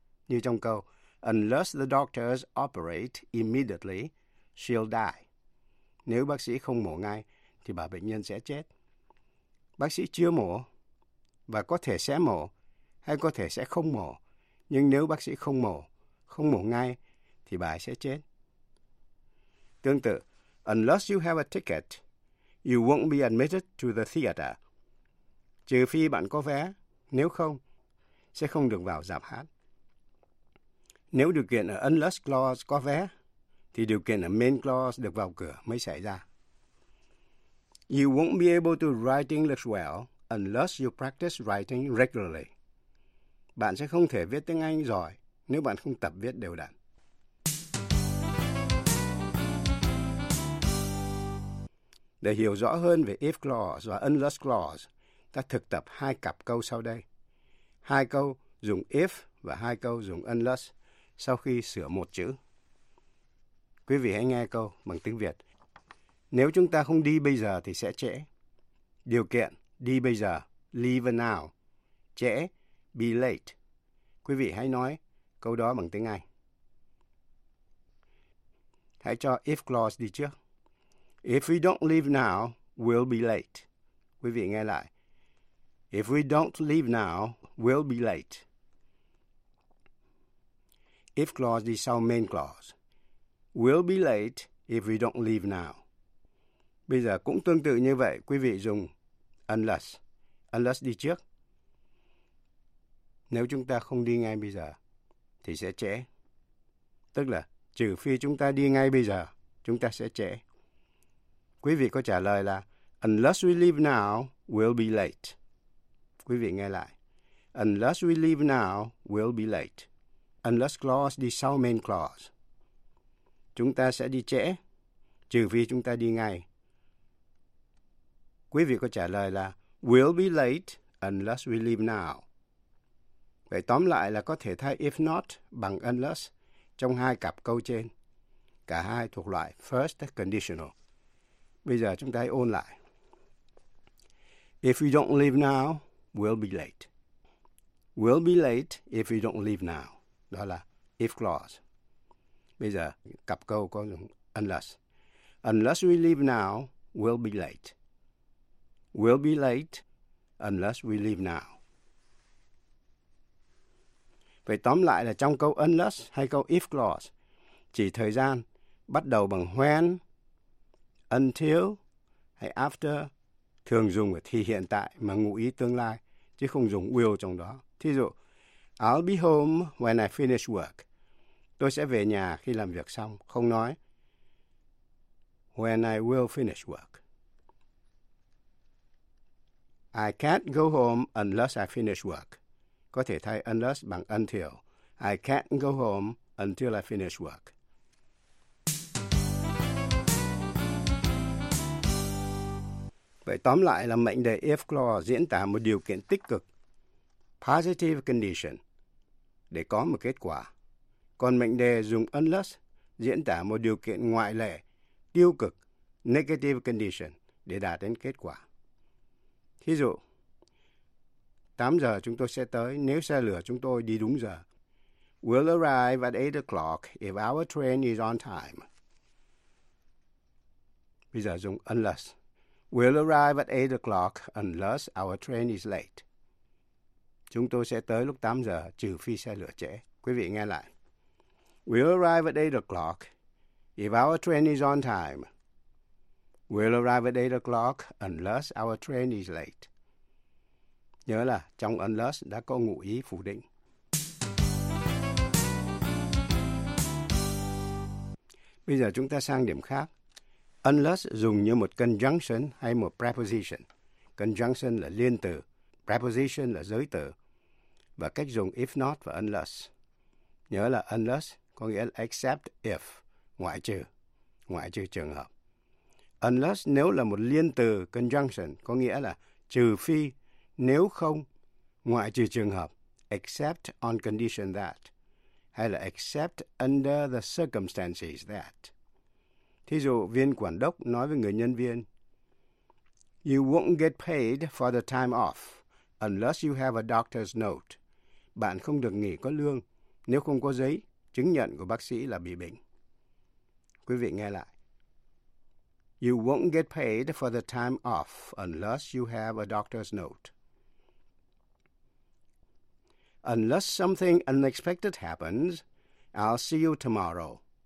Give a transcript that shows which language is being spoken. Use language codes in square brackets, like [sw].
[vi] Như trong câu, [en] unless the doctors operate immediately, she'll die. [vi] Nếu bác sĩ không mổ ngay, thì bà bệnh nhân sẽ chết. Bác sĩ chưa mổ, và có thể sẽ mổ, hay có thể sẽ không mổ. Nhưng nếu bác sĩ không mổ ngay, thì bà ấy sẽ chết. Tương tự, [en] unless you have a ticket, you won't be admitted to the theater. [vi] Trừ phi bạn có vé, nếu không, sẽ không được vào rạp hát. Nếu điều kiện ở unless clause có vé, thì điều kiện ở main clause được vào cửa mới xảy ra. [en] you won't be able to write English well unless you practice writing regularly. [vi] Bạn sẽ không thể viết tiếng Anh giỏi nếu bạn không tập viết đều đặn. Để hiểu rõ hơn về if clause và unless clause, ta thực tập hai cặp câu sau đây. Hai câu dùng if và hai câu dùng unless sau khi sửa một chữ. Quý vị hãy nghe câu bằng tiếng Việt. Nếu chúng ta không đi bây giờ thì sẽ trễ. Điều kiện đi bây giờ, [en] leave now. [vi] Trễ, [en] be late. [vi] Quý vị hãy nói câu đó bằng tiếng Anh. Hãy cho if clause đi trước. [en] If we don't leave now, we'll be late. [vi] Quý vị nghe lại. [en] If we don't leave now, we'll be late. If clause [vi] đi sau [en] main clause. We'll be late if we don't leave now. [vi] Bây giờ cũng tương tự như vậy, quý vị dùng unless. Unless đi trước. Nếu chúng ta không đi ngay bây giờ, thì sẽ trễ. Tức là, trừ phi chúng ta đi ngay bây giờ, chúng ta sẽ trễ. Quý vị có trả lời là, [en] unless we leave now, we'll be late. [vi] Quý vị nghe lại. [en] Unless we leave now, we'll be late. Unless clause [vi] đi sau [en] main clause. [vi] Chúng ta sẽ đi trễ, trừ phi chúng ta đi ngay. Quý vị có trả lời là, [en] we'll be late unless we leave now. [vi] Vậy tóm lại là có thể thay if not bằng unless trong hai cặp câu trên. Cả hai thuộc loại first conditional. Bây giờ chúng ta hãy ôn lại. [en] If we don't leave now, we'll be late. We'll be late if we don't leave now. [vi] Đó là if clause. Bây giờ cặp câu có unless. [en] Unless we leave now, we'll be late. We'll be late unless we leave now. [vi] Vậy tóm lại là trong câu unless hay câu if clause, chỉ thời gian bắt đầu bằng when, until hay after thường dùng ở thì hiện tại mà ngụ ý tương lai, chứ không dùng will trong đó. Thí dụ, [en] I'll be home when I finish work. [vi] Tôi sẽ về nhà khi làm việc xong, không nói [en] when I will finish work. I can't go home unless I finish work. [vi] Có thể thay unless bằng until. [en] I can't go home until I finish work. [vi] Vậy tóm lại là mệnh đề if clause diễn tả một điều kiện tích cực, [en] positive condition, [vi] để có một kết quả. Còn mệnh đề dùng unless diễn tả một điều kiện ngoại lệ, tiêu cực, [en] negative condition, [vi] để đạt đến kết quả. Thí dụ, 8 giờ chúng tôi sẽ tới nếu xe lửa chúng tôi đi đúng giờ. [en] We'll arrive at 8 o'clock if our train is on time. Bây giờ dùng unless. We'll arrive at 8 o'clock unless our train is late. [vi] Chúng tôi sẽ tới lúc 8 giờ trừ phi xe lửa trễ. Quý vị nghe lại. [en] We'll arrive at 8 o'clock if our train is on time. We'll arrive at 8 o'clock unless our train is late. [vi] Nhớ là trong unless đã có ngụ ý phủ định. Bây giờ chúng ta sang điểm khác. Unless dùng như một conjunction hay một preposition. Conjunction là liên từ, preposition là giới từ. Và cách dùng if not và unless. Nhớ là unless có nghĩa là [en] except if, [vi] ngoại trừ trường hợp. Unless nếu là một liên từ conjunction có nghĩa là trừ phi, nếu không, ngoại trừ trường hợp, [en] except on condition that, [vi] hay là [en] except under the circumstances that. [vi] Thí dụ, viên quản đốc nói với người nhân viên, [en] you won't get paid for the time off unless you have a doctor's note. [vi] Bạn không được nghỉ có lương nếu không có giấy chứng nhận của bác sĩ là bị bệnh. Quý vị nghe lại. [en] You won't get paid for the time off unless you have a doctor's note. Unless something unexpected happens, I'll see you tomorrow.